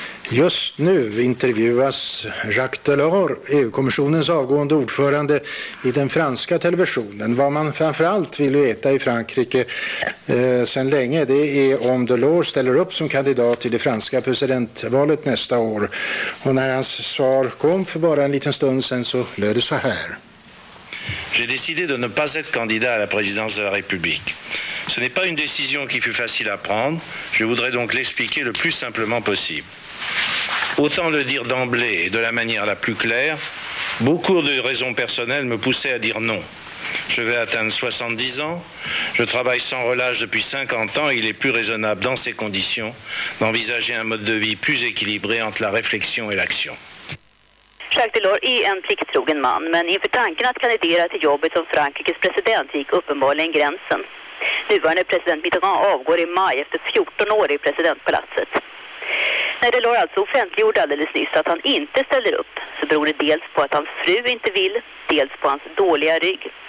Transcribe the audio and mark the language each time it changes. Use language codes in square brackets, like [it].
[sv] Just nu intervjuas Jacques Delors, EU-kommissionens avgående ordförande, i den franska televisionen. Vad man framförallt vill veta i Frankrike sedan länge, det är om Delors ställer upp som kandidat till det franska presidentvalet nästa år. Och när hans svar kom för bara en liten stund sen så löd det så här. [fr] J'ai décidé de ne pas être candidat à la présidence de la République. Ce n'est pas une décision qui fut facile à prendre. Je voudrais donc l'expliquer le plus simplement possible. Autant le dire d'emblée et de la manière la plus claire, beaucoup de raisons personnelles me poussaient à dire non. Je vais atteindre 70 ans. Je travaille sans relâche depuis 50 ans. Il est plus raisonnable dans ces conditions d'envisager un mode de vie plus équilibré entre la réflexion et l'action. [sv] Jacques Delors är en plikttrogen man, men inför tanken att kandidera till jobbet som Frankrikes president gick uppenbarligen gränsen. Nuvarande president Mitterrand avgår i maj efter 14 år i presidentpalatset. När Delors alltså offentliggjorde alldeles nyss att han inte ställer upp så beror det dels på att hans fru inte vill, dels på hans dåliga rygg.